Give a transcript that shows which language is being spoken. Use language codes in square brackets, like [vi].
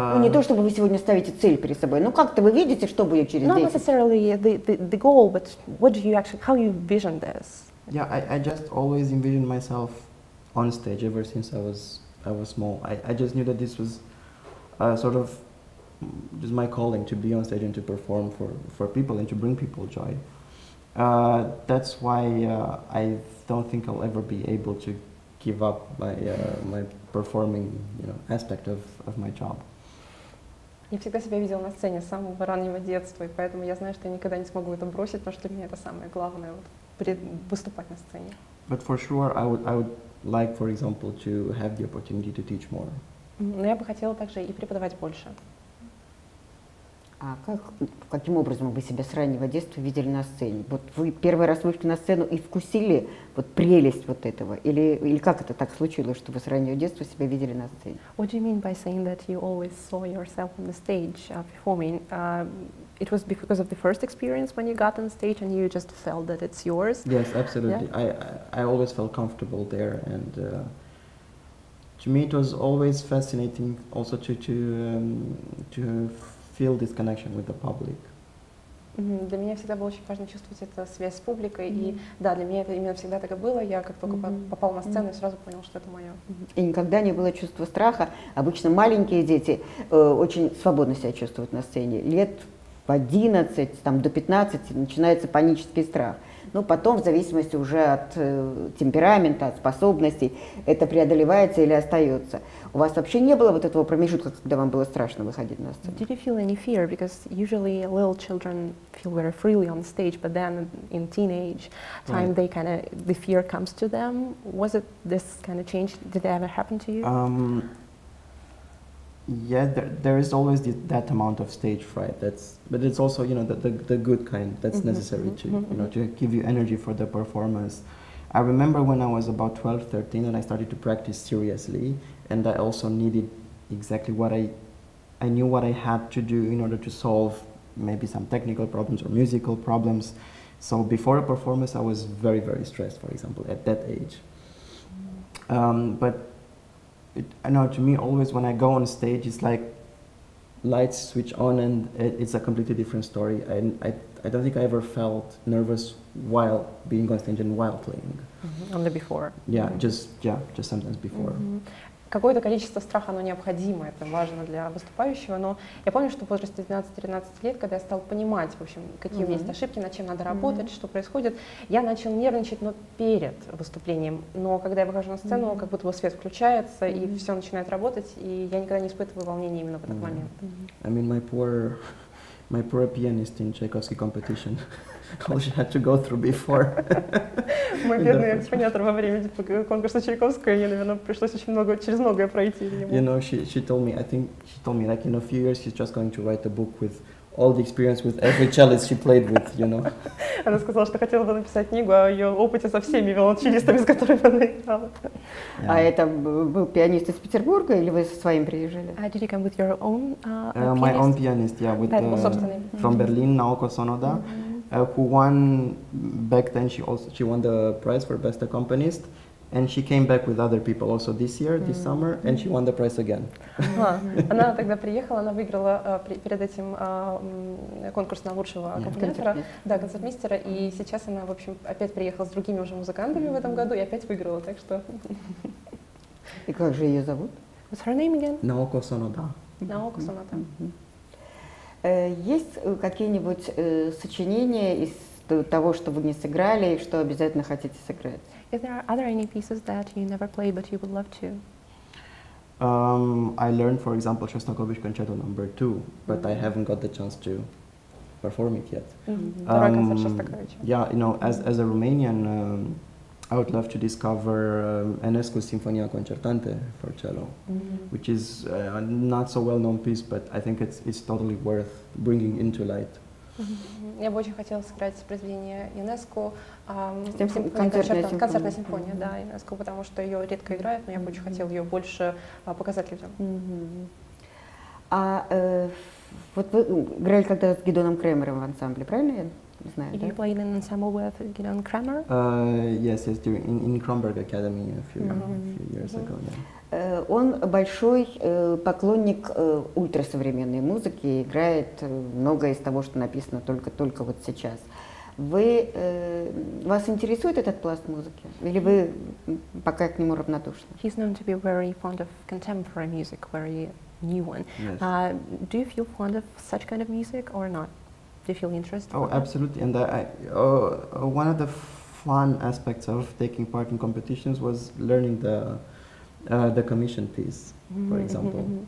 [ru] Не то чтобы вы сегодня ставите цель перед собой, но как-то вы видите, что будет через 10? [en] Not necessarily the goal, but what do you actually, how you envision this? Yeah, I just always envisioned myself on stage ever since I was small. I just knew that this was sort of just my calling to be on stage and to perform for people and to bring people joy. That's why I don't think I'll ever be able to give up my performing, you know, aspect of my job. [ru] Я всегда себя видела на сцене с самого раннего детства, и поэтому я знаю, что я никогда не смогу это бросить, потому что для меня это самое главное вот выступать на сцене. [en] But for sure, I would like, for example, to have the opportunity to teach more. [ru] Но я бы хотела также и преподавать больше. А каким образом вы себя с раннего детства видели на сцене? Вот вы первый раз вышли на сцену и вкусили вот прелесть вот этого? Или как это так случилось, что вы с раннего детства себя видели на сцене? [en] What do you mean by saying that you always saw yourself on the stage performing? It was because of the first experience when you got on stage and you just felt that it's yours? Yes, absolutely. Yeah? I always felt comfortable there. And to me it was always fascinating also to feel this connection with the public. Mm-hmm. [ru] Для меня всегда было очень важно чувствовать эту связь с публикой, mm-hmm. и да, для меня это именно всегда так и было. Я как только mm-hmm. попал на сцену, mm-hmm. сразу понял, что это мое. Mm-hmm. И никогда не было чувства страха. Обычно маленькие дети очень свободно себя чувствуют на сцене. Лет в 11, там до 15 начинается панический страх. Но потом, в зависимости уже от темперамента, от способностей, это преодолевается или остается. У вас вообще не было вот этого промежутка, когда вам было страшно выходить на сцену? [en] Did you feel any fear? Because usually little children feel very freely on stage, but then in teenage time they kind of the fear comes to them. Was it this kind of change? Did it ever happen to you? Yeah, there is always that amount of stage fright. But it's also, you know, the good kind that's mm-hmm. necessary to, you know, to give you energy for the performance. I remember when I was about 12, 13, and I started to practice seriously, and I also needed exactly what I knew what I had to do in order to solve maybe some technical problems or musical problems. So before a performance, I was very, very stressed, for example, at that age. I know, to me, always when I go on stage, it's like lights switch on and it's a completely different story. I don't think I ever felt nervous while being on stage and while playing. Mm-hmm. Only before. Yeah, mm-hmm. just sometimes before. Mm-hmm. [ru] Какое-то количество страха, оно необходимо, это важно для выступающего, но я помню, что в возрасте 12-13 лет, когда я стала понимать, в общем, какие mm-hmm. есть ошибки, над чем надо работать, mm-hmm. что происходит, я начала нервничать, но перед выступлением, но когда я выхожу на сцену, mm-hmm. как будто бы свет включается, mm-hmm. и все начинает работать, и я никогда не испытываю волнения именно в этот mm-hmm. момент. [en] Mm-hmm. I mean, my poor pianist in Tchaikovsky competition. All she had to go through before. [ru] Мой бедный экспонятор во время конкурса Чайковского, ей, наверное, пришлось очень много через многое пройти. [en] You know, she told me, like in a few years, she's just going to write a book with all the experience with every cellist she played with, you know. [ru] Она сказала, что хотела бы написать книгу о ее опыте со всеми виолончелистами, с которыми она играла. А это был пианист из Петербурга или вы со своим приезжали? [en] Did you come with your own pianist? My own pianist, yeah, with from Berlin, Naoko Sonoda. Who won back then? She won the prize for best accompanist, and she came back with other people also this year, this mm-hmm. summer, and she won the prize again. [ru] Она тогда приехала, она выиграла перед этим конкурс на лучшего аккомпаниатора, да, концертмейстера, и сейчас она, в общем, опять приехала с другими уже музыкантами в этом году и опять выиграла, так что. И как же ее зовут? [en] What's her name again? [ru] Наоко Сонода. Наоко Сонода. Есть какие-нибудь сочинения из того, что вы не сыграли, и что обязательно хотите сыграть? [en] Is there other any pieces that you never play but you would love to? I learned, for example, Shostakovich Concerto number 2, but mm-hmm. I haven't got the chance to perform it yet. Mm-hmm. Yeah, you know, as a Romanian, I would love to discover Enescu's Sinfonia Concertante for cello, mm-hmm. which is not so well-known piece, but I think it's totally worth bringing into light. Mm-hmm. [ru] Я бы очень хотела сыграть произведение Enescu, концертная симфония, mm-hmm. да, Enescu, потому что ее редко играют, но я бы mm-hmm. очень хотела ее больше показать людям. Mm-hmm. А вот вы играли когда-то с Гидоном Кремером в ансамбле, правильно? [en] Did you play in ensemble with Gidon Kremer? Yes, in Kronberg Academy a few years ago. Yeah. [ru] Он большой поклонник ультрасовременной музыки, играет многое из того, что написано только вот сейчас. Вас интересует этот пласт музыки, или вы пока к нему равнодушны? [en] He's known to be very fond of contemporary music, very new one. Yes. Do you feel fond of such kind of music or not? Do you feel interested? Oh, absolutely. And one of the fun aspects of taking part in competitions was learning the commission piece, for example.